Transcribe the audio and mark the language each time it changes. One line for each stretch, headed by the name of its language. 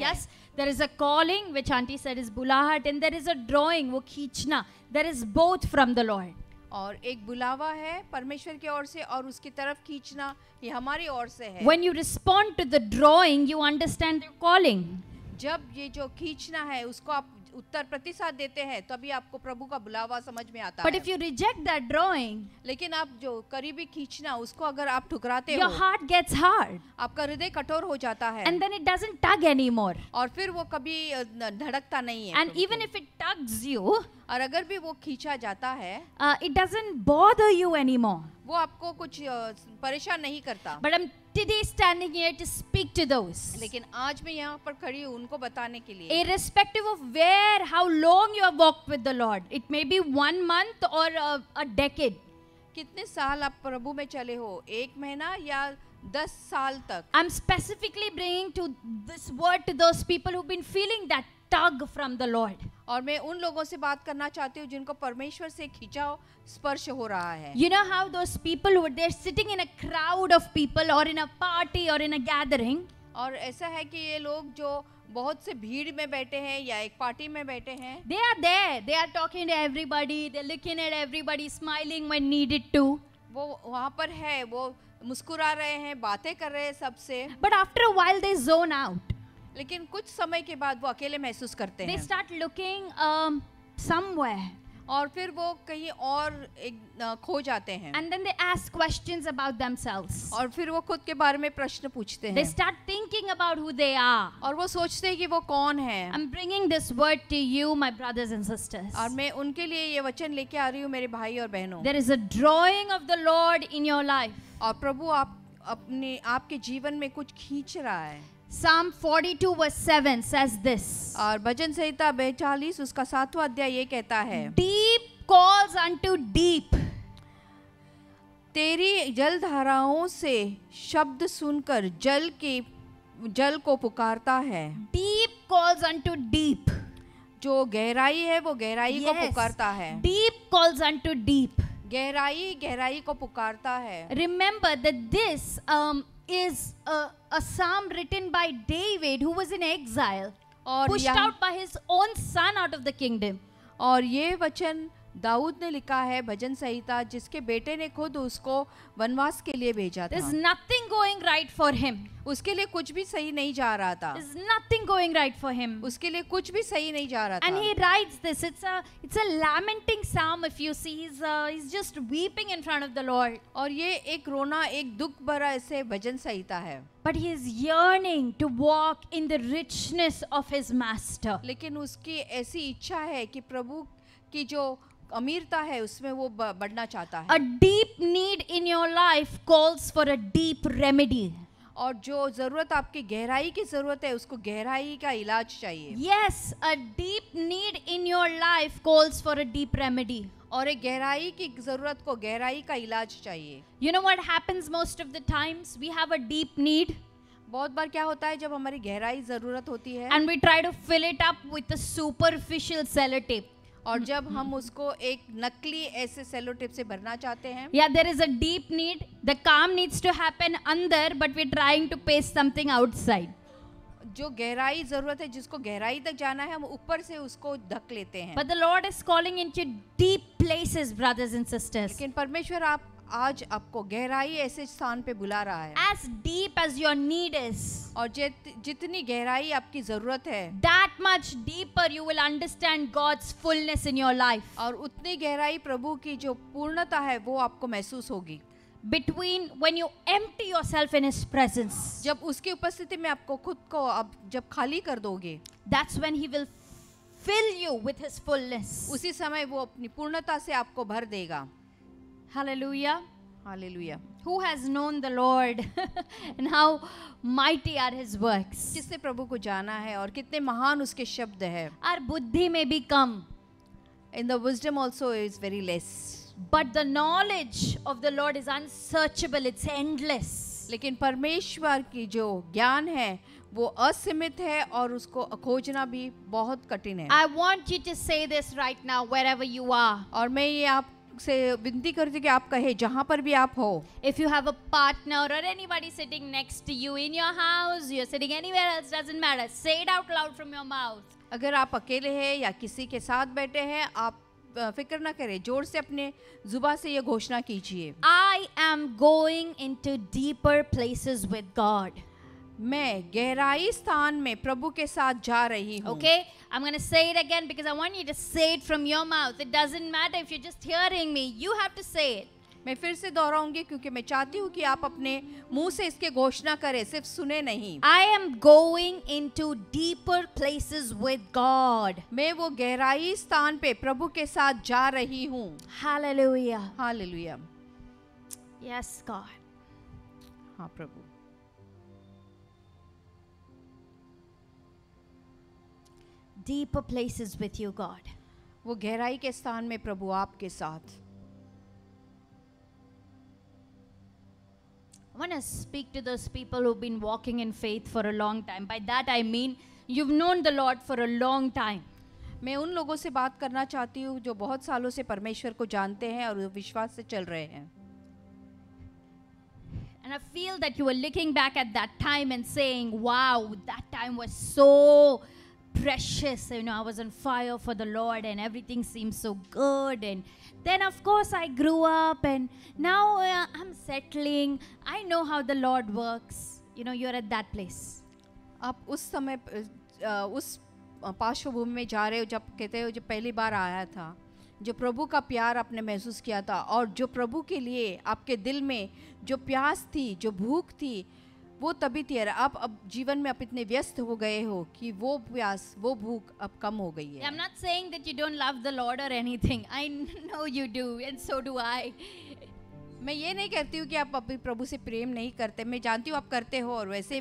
English: Yes, there is a calling which auntie said is bulahat and there is a drawing
Hindi: वो खींचना.
English: There is both from the Lord.
Hindi: और एक बुलावा है परमेश्वर की ओर से और उसकी तरफ खींचना ये हमारी ओर से है.
English: When you respond to the drawing, you understand the calling.
Hindi: जब ये जो खींचना है उसको आप उत्तर प्रतिसाद देते हैं तभी आपको प्रभु का बुलावा समझ में आता है.
English: But if you reject that drawing,
Hindi: लेकिन आप जो करीबी खींचना उसको अगर आप ठुकराते हो,
English: your heart gets hard.
Hindi: आपका हृदय कठोर हो जाता है.
English: And then it doesn't tug anymore.
Hindi: और फिर वो कभी धड़कता नहीं है.
English: And even if it tugs you,
Hindi: और अगर भी वो खींचा जाता है,
English: it doesn't bother you anymore.
Hindi: वो आपको कुछ परेशान नहीं करता.
English: But I'm today standing here to speak to those.
Hindi: लेकिन आज मैं यहाँ पर खड़ी हूँ उनको बताने के लिए.
English: Irrespective of where, how long you have walked with the Lord, it may be 1 month or a decade.
Hindi: कितने साल आप प्रभु में चले हो, एक महीना या 10 साल तक.
English: I'm specifically bringing to this word to those people who've been feeling that tug from the Lord.
Hindi: और मैं उन लोगों से बात करना चाहती हूँ जिनको परमेश्वर से खिंचाव स्पर्श हो रहा है.
English: You know how those people who they're sitting in a crowd of people or in a party or in a gathering.
Hindi: और ऐसा है कि ये लोग जो बहुत से भीड़ में बैठे हैं या एक पार्टी में बैठे हैं.
English: They are there. They are talking to everybody. They're looking at everybody, smiling when needed to.
Hindi: वो वहाँ पर है, वो मुस्कुरा रहे हैं, बातें कर रहे हैं सबसे.
English: But after a while they zone out.
Hindi: लेकिन कुछ समय के बाद वो अकेले महसूस करते हैं.
English: They start looking somewhere.
Hindi: और फिर वो कहीं और खो जाते हैं.
English: And then they ask questions about themselves.
Hindi: और फिर वो खुद के बारे में प्रश्न पूछते हैं.
English: They start thinking about who they are.
Hindi: और वो सोचते हैं कि वो कौन है.
English: I'm bringing this word to you, my brothers and sisters.
Hindi: और मैं उनके लिए ये वचन लेके आ रही हूँ मेरे भाई और बहनों.
English: There is a drawing of the Lord in your life.
Hindi: और प्रभु आप अपने आपके जीवन में कुछ खींच रहा है.
English: Psalm 42 verse 7 says this.
Hindi: और भजन संहिता 42 उसका सातवां अध्याय ये कहता है.
English: Deep calls unto deep.
Hindi: तेरी जल धाराओं से शब्द सुनकर जल को पुकारता है.
English: Deep calls unto deep.
Hindi: जो गहराई है वो गहराई को पुकारता है.
English: Deep calls unto deep.
Hindi: गहराई गहराई को पुकारता है.
English: Remember that this is a psalm written by David, who was in exile, pushed out by his own son out of the kingdom.
Hindi: और ये वचन दाऊद ने लिखा है भजन संहिता जिसके बेटे ने खुद उसको वनवास के लिए भेजा था.
English: There's nothing going right for him.
Hindi: उसके लिए कुछ भी सही नहीं जा रहा था.
English: There's nothing going right for him.
Hindi: उसके लिए कुछ भी सही नहीं जा रहा था.
English: And he writes this. It's a lamenting psalm. If you see, he's just weeping in front of the Lord.
Hindi: और ये एक रोना, एक दुख भरा ऐसे भजन संहिता है.
English: But he is yearning to walk in the richness of his master.
Hindi: लेकिन उसकी ऐसी इच्छा है कि प्रभु की जो अमीरता है उसमें वो बढ़ना चाहता है.
English: A deep need in your life calls for a deep remedy.
Hindi: और जो जरूरत आपकी गहराई की जरूरत है उसको गहराई का इलाज चाहिए.
English: Yes, a deep need in your life calls for a deep remedy.
Hindi: और एक गहराई की जरूरत को गहराई का इलाज चाहिए.
English: You know what happens most of the times? We have a deep need.
Hindi: बहुत बार क्या होता है जब हमारी गहराई जरूरत होती है.
English: And we try to fill it up with a superficial sellotape.
Hindi: और जब हम उसको एक नकली ऐसे सेलोटेप से भरना चाहते हैं.
English: या there is a deep need, the काम needs to happen
Hindi: अंदर
English: But we trying to paste something outside.
Hindi: जो गहराई जरूरत है, जिसको गहराई तक जाना है, हम ऊपर से उसको ढक लेते हैं.
English: But the lord is calling into deep places brothers and sisters.
Hindi: लेकिन परमेश्वर आज आपको गहराई ऐसे स्थान पे बुला रहा है.
English: As deep as your need is.
Hindi: और जितनी गहराई आपकी जरूरत है.
English: That much deeper you will understand God's fullness in your life.
Hindi: और उतनी गहराई प्रभु की जो पूर्णता है वो आपको महसूस होगी.
English: Between when you empty yourself in His presence.
Hindi: जब उसकी उपस्थिति में आपको खुद को आप जब खाली कर दोगे.
English: That's when He will fill you with His fullness.
Hindi: उसी समय वो अपनी पूर्णता से आपको भर देगा. Hallelujah. Hallelujah.
English: Who has known the Lord and how mighty are His works?
Hindi: किसने प्रभु को जाना है और कितने महान उसके शब्द हैं?
English: Our buddhi may be come. And the wisdom also is very less. But the knowledge of the Lord is unsearchable. It's endless.
Hindi: लेकिन परमेश्वर की जो ज्ञान है वो असीमित है और उसको खोजना भी बहुत कठिन है.
English: I want you to say this right now, wherever you are.
Hindi: और मैं ये आप से विनती करती हूँ कि आप कहे जहाँ पर भी आप हो.
English: If you have a partner or anybody sitting next to you in your house, you're sitting anywhere else, doesn't matter. Say it out loud from your mouth.
Hindi: अगर आप अकेले हैं या किसी के साथ बैठे हैं, आप फिक्र ना करें, जोर से अपने जुबा से ये घोषणा कीजिए.
English: I am going into deeper places with God.
Hindi: मैं गहराई स्थान में प्रभु के साथ जा रही हूँ.
English: Okay, I'm going to say it again because I want you to say it from your mouth. It doesn't matter if you're just hearing me. You have to say it.
Hindi: मैं फिर से दोहराऊंगी क्योंकि मैं चाहती हूँ कि आप अपने मुंह से इसके घोषणा करें, सिर्फ सुने नहीं.
English: I am going into deeper places with God.
Hindi: मैं वो गहराई स्थान पे प्रभु के साथ जा रही हूँ. Hallelujah. Hallelujah.
English: Yes, God.
Hindi: हाँ प्रभु.
English: Deeper places with you, God.
Hindi: वो गहराई के स्थान में प्रभु आपके साथ.
English: I want to speak to those people who've been walking in faith for a long time. By that I mean you've known the Lord for a long time.
Hindi: मैं उन लोगों से बात करना चाहती हूँ जो बहुत सालों से परमेश्वर को जानते हैं और विश्वास से चल रहे हैं.
English: And I feel that you were looking back at that time and saying, "Wow, that time was so." Precious, you know, I was on fire for the Lord and everything seemed so good. And then, of course, I grew up and now I'm settling. I know how the Lord works. You know, you're at that place.
Hindi: आप उस समय उस पार्श्वभूमि में जा रहे हो जब कहते हो जो पहली बार आया था, जो प्रभु का प्यार आपने महसूस किया था और जो प्रभु के लिए आपके दिल में जो प्यास थी, जो भूख थी, वो तभी थी. अब जीवन में आप इतने व्यस्त हो गए हो कि वो प्यास, वो भूख अब कम हो गई है.
English: I'm not saying that you don't love the Lord or anything. I know you do, and so do I.
Hindi: मैं ये नहीं कहती हूँ कि आप अभी प्रभु से प्रेम नहीं करते. मैं जानती हूँ आप करते हो और वैसे